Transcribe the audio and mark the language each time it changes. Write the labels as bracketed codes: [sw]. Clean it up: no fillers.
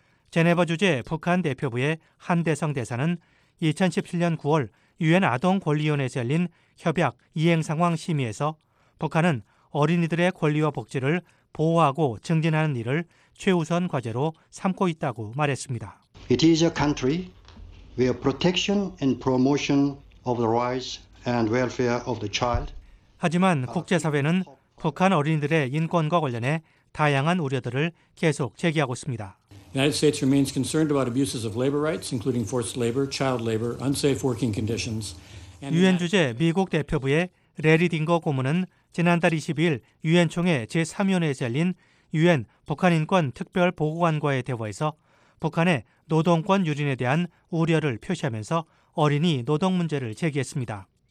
[ko] 제네바 주재 북한 대표부의 한대성 대사는 2017년 9월 유엔 아동권리위원회에서 열린 협약 이행 상황 심의에서 북한은 어린이들의 권리와 복지를 보호하고 증진하는 일을 최우선 과제로 삼고 있다고 말했습니다. [en] It is a country where protection and promotion of the rights and welfare of the child. [ko] 하지만 국제사회는 북한 어린이들의 인권과 관련해 다양한 우려들을 계속 제기하고 있습니다. [en] United States remains concerned about abuses of labor rights, including forced labor, child labor, unsafe working conditions. [ko] 유엔 주재 미국 대표부의 레리 딩거 고문은 지난달 22일 유엔 총회 제3위원회에서 열린 유엔 북한 인권 특별 보고관과의 대화에서 북한의 노동권 유린에 대한 우려를 표시하면서 어린이 노동 문제를 제기했습니다.